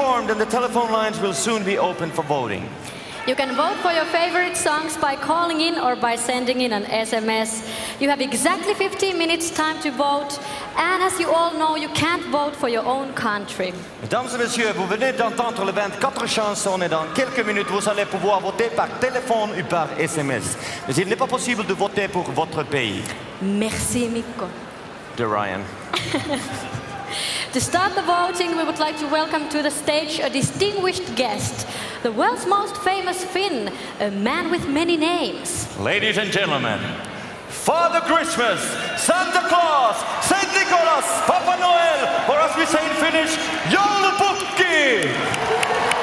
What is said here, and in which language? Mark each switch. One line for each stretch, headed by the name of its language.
English: And the telephone lines will soon be open for voting. You can vote for your favorite songs by calling in or by sending in an SMS. You have exactly 15 minutes time to vote. And as you all know, you can't vote for your own country.
French: Mesdames et messieurs, vous venez d'entendre les 24 chansons et dans quelques minutes, vous allez pouvoir voter par téléphone ou par SMS. Mais il n'est pas possible de voter pour votre pays. Merci, Mikko. De Ryan.
English: To start the voting, we would like to welcome to the stage a distinguished guest, the world's most famous Finn, a man with many names. Ladies and gentlemen, Father Christmas, Santa Claus, Saint Nicholas, Papa Noel, or as we say in Finnish, joulupukki!